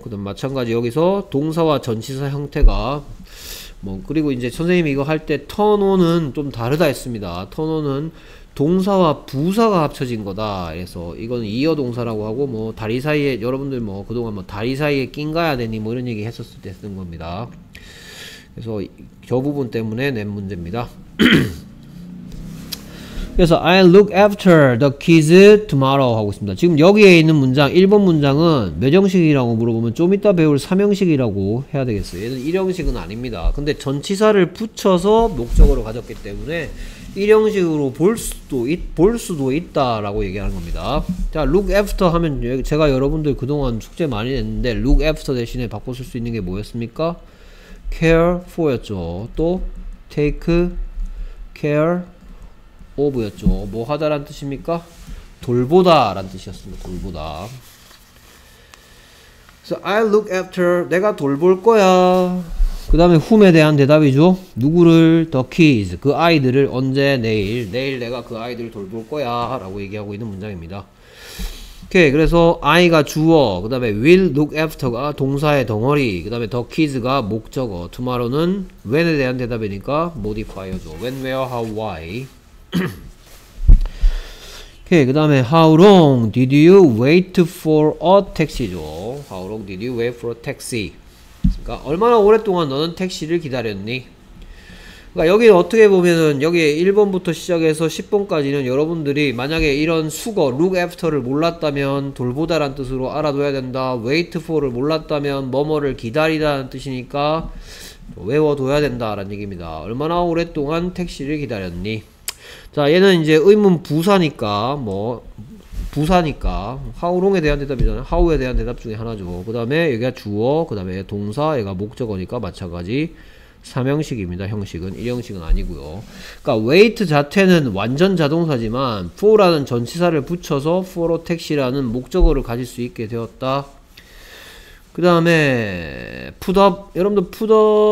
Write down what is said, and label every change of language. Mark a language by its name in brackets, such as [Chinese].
[Korean] 그다음 마찬가지 여기서 동사와 전치사 형태가 뭐 그리고 이제 선생님이 이거 할 때 turn on은 좀 다르다 했습니다. turn on은 동사와 부사가 합쳐진 거다. 그래서 이건 이어 동사라고 하고 뭐 다리 사이에 여러분들 뭐 그동안 뭐 다리 사이에 낀 가야 되니 뭐 이런 얘기 했었을 때 쓴 겁니다. 그래서 저 부분 때문에 낸 문제입니다. [English] 그래서 I look after the kids tomorrow [Korean] 하고 있습니다. 지금 여기에 있는 문장 1번 문장은 몇 형식이라고 물어보면 좀 이따 배울 3형식이라고 해야 되겠어요. 얘는 1형식은 아닙니다. 근데 전치사를 붙여서 목적으로 가졌기 때문에 1형식으로 볼 수도 있다 라고 얘기하는 겁니다. 자, look after 하면 제가 여러분들 그동안 숙제 많이 냈는데 look after 대신에 바꿔 쓸 수 있는 게 뭐였습니까? [English] care for 였죠. 또 take care of 였죠. [Korean] 뭐 하다 라는 뜻입니까? 돌보다 라는 뜻이었습니다. 돌보다. [English] so I'll look after, [Korean] 내가 돌볼 거야. 그 다음에 whom에 대한 대답이죠. 누구를? the kids, 그 아이들을. 언제? 내일 내가 그 아이들을 돌볼 거야 라고 얘기하고 있는 문장입니다. 오케이. 그래서 I가 주어, 그 다음에 will look after가 동사의 덩어리, 그 다음에 the kids가 목적어, tomorrow는 when에 대한 대답이니까 modifier죠. [English] when, where, how, why. [Korean] 오케이. [English] 그 다음에 how long did you wait for a taxi죠. how long did you wait for a taxi. [Korean] 그러니까 얼마나 오랫동안 너는 택시를 기다렸니? 그러니까 여기 어떻게 보면은 여기 1번부터 시작해서 10번까지는 여러분들이 만약에 이런 수거 look after를 몰랐다면 돌보다란 뜻으로 알아둬야 된다. wait for를 몰랐다면 뭐뭐를 기다리다는 뜻이니까 외워둬야 된다라는 얘기입니다. 얼마나 오랫동안 택시를 기다렸니? 자, 얘는 이제 의문 부사니까 뭐 부사니까 how long에 대한 대답이잖아요. how에 대한 대답 중에 하나죠. 그 다음에 여기가 주어, 그 다음에 동사, 얘가 목적어니까 마찬가지 3형식입니다. 형식은 1형식은 아니고요. 그러니까 wait 자체는 완전 자동사지만 for라는 전치사를 붙여서 for a taxi라는 목적어를 가질 수 있게 되었다. 그 다음에 put up, 여러분들 put up